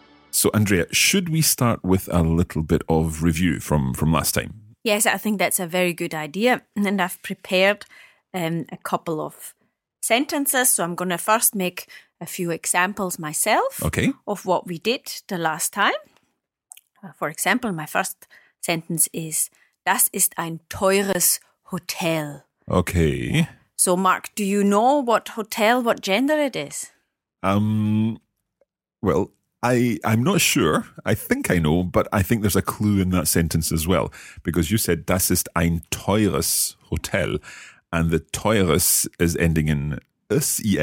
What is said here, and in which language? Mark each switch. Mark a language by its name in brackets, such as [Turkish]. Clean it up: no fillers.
[English] So, Andrea, should we start with a little bit of review from last time? Yes, I think that's a very good idea. And I've prepared a couple of sentences. So I'm going to first make a few examples myself of what we did the last time. For example, my first sentence is, [German] das ist ein teures Hotel. [English] Okay. So, Marc, do you know what hotel, what gender it is? Well, I'm not sure. I think I know, but I think there's a clue in that sentence as well, because you said [German] das ist ein teures Hotel, [English] and the teures is ending in es.